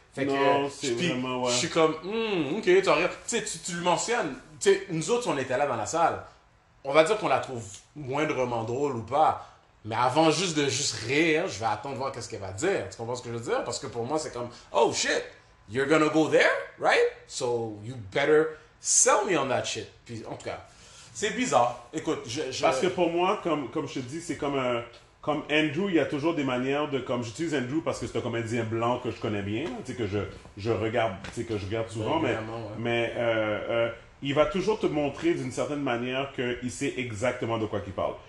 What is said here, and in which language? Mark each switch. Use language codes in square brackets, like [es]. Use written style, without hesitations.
[fr] Fait non, que c'est vraiment, je suis comme, ok, tu as rien. Tu le mentionnes. T'sais, nous autres, on était là dans la salle. On va dire qu'on la trouve moindrement drôle ou pas, Mais avant juste de juste rire, je vais attendre de voir qu'est-ce qu'elle va dire. Tu comprends ce que je veux dire? Parce que pour moi, c'est comme, [en] oh shit, you're gonna go there, right? So you better sell me on that shit. [fr] Puis en tout cas, c'est bizarre. Écoute, Parce que pour moi, comme je te dis, c'est comme un. Comme Andrew, il y a toujours des manières de. Comme j'utilise Andrew parce que c'est un comédien blanc que je connais bien, tu sais, que je regarde, tu sais, que je regarde souvent, Évidemment, ouais. Il va toujours te montrer d'une certaine manière qu'il sait exactement de quoi qu'il parle.